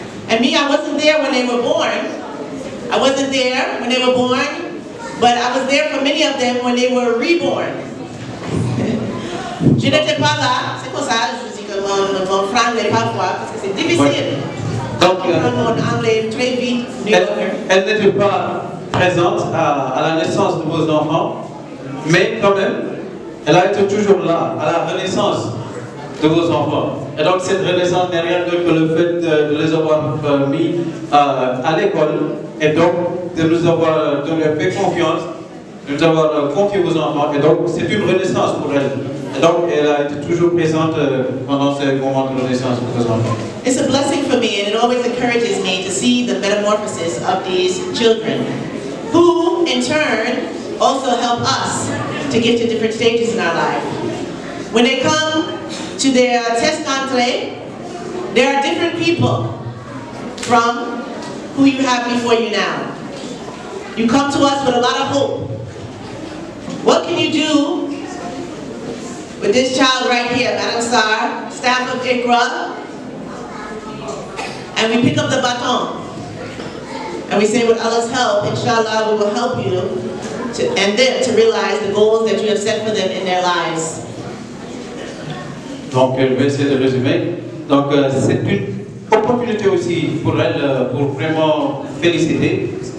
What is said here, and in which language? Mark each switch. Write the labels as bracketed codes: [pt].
[en] And me, I wasn't there when they were born. I wasn't there when they were born, but I was there for many of them when they were reborn. [fr] Je n'étais pas là. C'est pour ça que je dis que mon français n'est pas fort parce que c'est difficile. Elle n'était pas présente à la naissance de vos enfants, mais quand même, elle a été toujours là à la renaissance de vos enfants. Et donc cette renaissance n'est rien d'autre que le fait de les avoir mis à l'école et donc de nous avoir fait confiance, de nous avoir confié vos enfants. Et donc c'est une renaissance pour elle. Et donc elle a été toujours présente pendant ce moment de renaissance de vos enfants. [en] It's a blessing for me, and it always encourages me to see the metamorphosis of these children, who in turn also help us to get to different stages in our life. When they come to their test entree, there are different people from who you have before you now. You come to us with a lot of hope. What can you do with this child right here, Madam Sar, staff of ICRA? And we pick up the baton and we say, with Allah's help, inshallah, we will help you to realize the goals that you have set for them in their lives. [fr] Donc, je vais essayer de résumer. Donc, c'est une opportunité aussi pour elle pour vraiment féliciter.